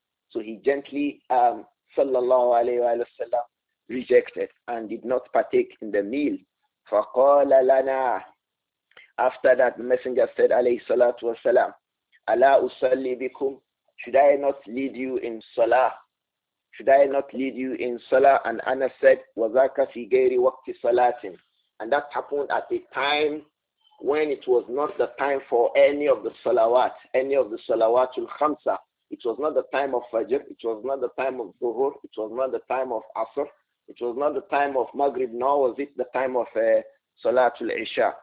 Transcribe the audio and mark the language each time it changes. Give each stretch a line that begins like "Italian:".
English: So he gently, sallallahu alayhi wa sallam, rejected and did not partake in the meal.
Arabic: فَقَالَ لَنَا.
English: After that, the messenger said, alayhi salatu wa sallam,
Arabic: أَلَا أُصَلِّي بِكُمْ.
English: Should I not lead you in salah? Should I not lead you in salah? And Anas said,
Arabic: وَذَاكَ فِي غَيْرِ وَقْتِ صَلَاتٍ.
English: And that happened at a time when it was not the time for any of the salawat al-khamsa. It was not the time of Fajr. It was not the time of Zuhur. It was not the time of Asr. It was not the time of Maghrib, nor was it the time of Salat al-Isha.